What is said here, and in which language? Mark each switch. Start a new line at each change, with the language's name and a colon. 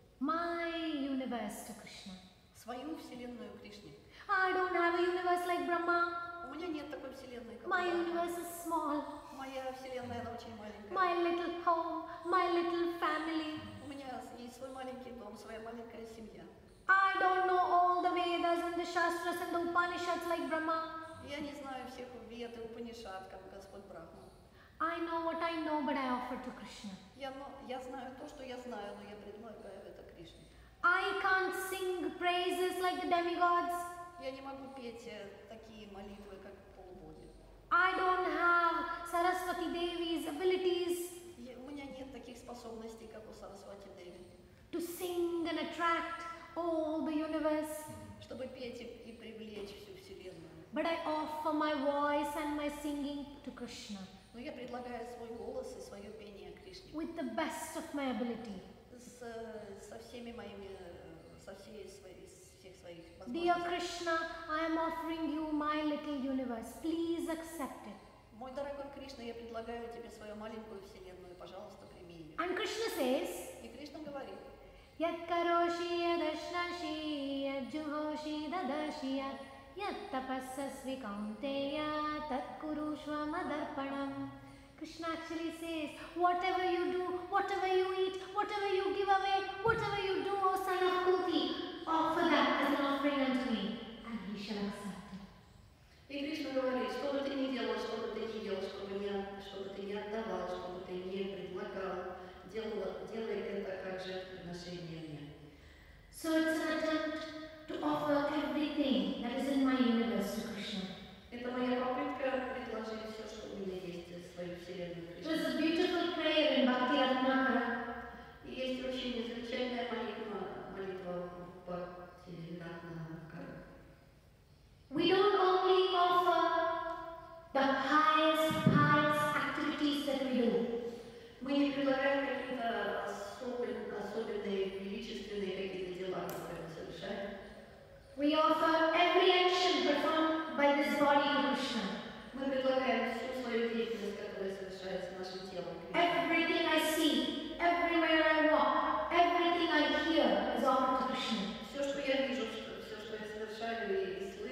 English: my universe to Krishna.
Russian: Свою вселенную Кришне.
English: I don't have a universe like Brahma.
Russian: У меня нет такой вселенной, как
English: Брахма. My universe is small.
Russian: Моя вселенная, она очень маленькая.
English: My little home, my little family.
Russian: У меня есть свой маленький дом, своя маленькая семья.
English: I don't know all the Vedas and the Shastras and the Upanishads like Brahma.
Russian: Я не знаю всех Вед и Упанишад, как Господь Брахма.
English: I know what I know, but I offer to Krishna.
Russian: Я знаю то, что я знаю, но я предлагаю это Кришне.
English: I can't sing praises like the demigods.
Russian: Я не могу петь такие молитвы, как полубоги.
English: I don't have Saraswati Devi's abilities.
Russian: У меня нет таких способностей, как у Сарасвати Деви.
English: To sing and attract all the universe.
Russian: Чтобы петь и привлечь всю вселенную.
English: But I offer my voice and my singing to Krishna.
Russian: Но я предлагаю свой голос и свое пение Кришне.
English: With the best of my ability.
Russian: Со всех своих возможностей.
English: Dear Krishna, I am offering you my little universe. Please accept it.
Russian: Мой дорогой Кришна, я предлагаю тебе свою маленькую вселенную, пожалуйста, прими ее.
English: And Krishna says.
Russian: И Кришна говорит.
Sanskrit: Yat karoshi yadashnashi yajuhoshi dadashi yat yat tapasasvi kaunteya tat kurushva madarpanam.
English: Krishna actually says, whatever you do, whatever you eat, whatever you give away, whatever you do, O son of Kunti, offer that as an offering unto me, and he shall accept.
Russian: И Кришна говорит, что бы ты ни делал, что бы ты ни делал, что бы ты ни отдавал, что бы ты ни предлагал, делай это как жертвоприношение мне.
English: So it's an attempt to offer everything that is in my universe to Krishna.
Russian: Это моя попытка предложить все, что у меня есть в своей вселенной Кришне.
English: There's a beautiful prayer in Bhakti Ratnamara.
Russian: И есть очень замечательная молитва, молитва в Бхакти Ратнамара.
English: We don't only offer the highest, highest activities that we do.
Russian: Мы не предлагаем какие-то особенные, величественные какие-то дела, которые мы совершаем.
English: We offer every action performed by this body, Krishna.
Russian: Мы предлагаем всю свою деятельность, которая совершается в нашем теле.
English: Everything I see, everywhere I walk, everything I hear is offered to Krishna.
Russian: Все, что я вижу, все, что я совершаю и